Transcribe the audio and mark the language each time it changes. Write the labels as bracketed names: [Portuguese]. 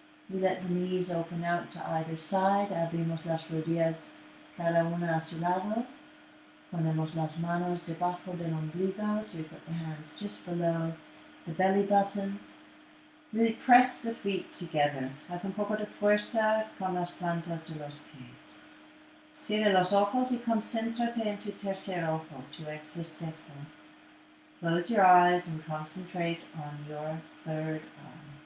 [English] We let the knees open out to either side. [Spanish] Abrimos las rodillas cada una a su lado. Ponemos las manos debajo del ombligo, [English] so we put the hands just below the belly button. Really press the feet together. [Spanish] Haz un poco de fuerza con las plantas de los pies. Cierra los ojos y concéntrate en tu tercer ojo, tu extra cerco. [English] Close your eyes and concentrate on your third eye.